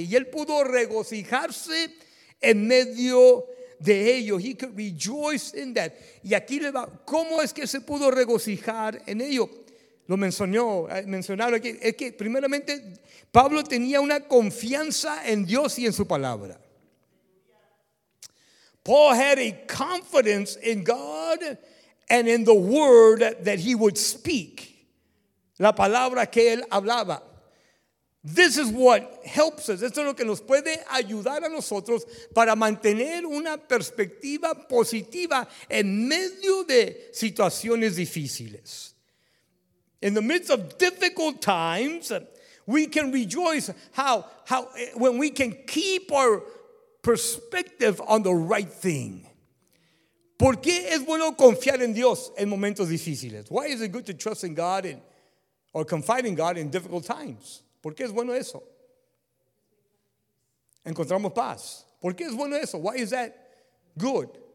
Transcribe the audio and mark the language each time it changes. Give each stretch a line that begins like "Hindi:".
Spanish: Y él pudo regocijarse en medio de ello.
English: He could rejoice in that.
Spanish: Y aquí le va, ¿cómo es que se pudo regocijar en ello? Lo mencionaron aquí. Es que primeramente Pablo tenía una confianza en Dios y en su palabra.
English: Paul had a confidence in God and in the word that he would speak.
Spanish: La palabra que él hablaba.
English: This is what helps us.
Spanish: Esto es lo que nos puede ayudar a nosotros para mantener una perspectiva positiva en medio de situaciones difíciles.
English: In the midst of difficult times, we can rejoice how when we can keep our perspective on the right thing.
Spanish: ¿Por qué es bueno confiar en Dios en momentos difíciles?
English: Why is it good to trust in God or confide in God in difficult times?
Spanish: ¿Por qué es bueno eso? Encontramos paz. ¿Por qué es bueno eso?
English: Why is that good?